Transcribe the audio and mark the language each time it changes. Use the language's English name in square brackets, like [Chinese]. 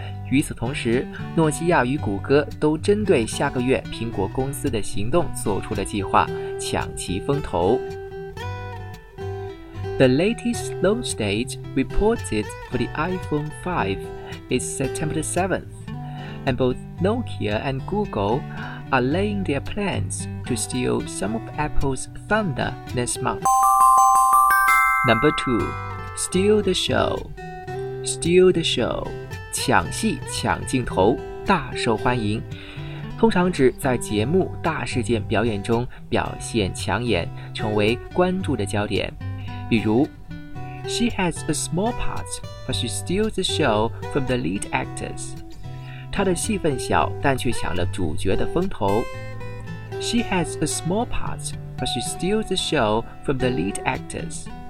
[Chinese] 与此同时，诺基亚与谷歌都针对下个月苹果公司的行动做出了计划，抢其风头。 [English] The latest launch date reported for the iPhone 5 is September 7th, and both Nokia and Google are laying their plans to steal some of Apple's thunder next month. Number 2. Steal the show. Steal the show. [Chinese] 抢戏、抢镜头、大受欢迎。通常指在节目、大事件表演中表现抢眼，成为关注的焦点。比如 [English] She has a small part, but she steals the show from the lead actors. [Chinese] 她的戏份小，但却抢了主角的风头。 [English] She has a small part, but she steals the show from the lead actors.